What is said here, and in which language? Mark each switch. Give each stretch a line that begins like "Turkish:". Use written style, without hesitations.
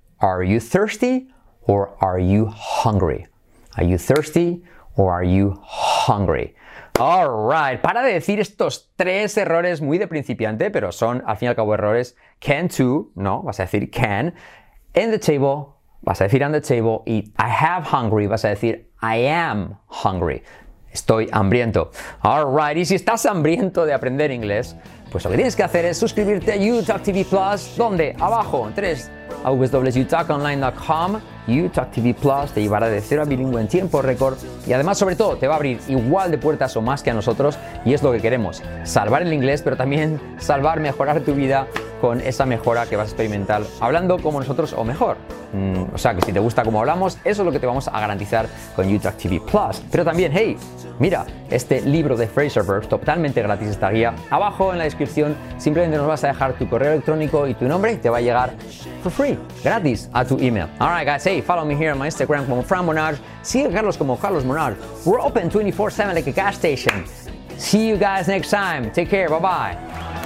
English: Are you thirsty or are you hungry? Are you thirsty or are you hungry? All right,
Spanish: para de decir estos tres errores muy de principiante, pero son al fin y al cabo errores.
English: Can to, no,
Spanish: vas a decir
English: can. In the table, vas a decir on the table. Y I have hungry,
Spanish: vas a decir
English: I am hungry.
Spanish: Estoy hambriento.
English: All right,
Spanish: y si estás hambriento de aprender inglés, pues lo que tienes que hacer es suscribirte a UTalk TV Plus. ¿Dónde? Abajo, en www.utalkonline.com. UTalk TV Plus te llevará de cero a bilingüe en tiempo récord y además, sobre todo, te va a abrir igual de puertas o más que a nosotros, y es lo que queremos, salvar el inglés, pero también salvar, mejorar tu vida con esa mejora que vas a experimentar hablando como nosotros o mejor. O sea, que si te gusta cómo hablamos, eso es lo que te vamos a garantizar con UTalk TV Plus. Pero también, hey, mira, este libro de Phrasal Verbs, totalmente gratis esta guía, abajo en la descripción simplemente nos vas a dejar tu correo electrónico y tu nombre y te va a llegar
English: for free,
Spanish: gratis, a tu email.
English: All right, guys, hey, follow me here on my Instagram como Fran Monard.
Spanish: Sigue a Carlos como
English: Carlos Monard. We're open 24/7 like a gas station. See you guys next time. Take care, bye-bye.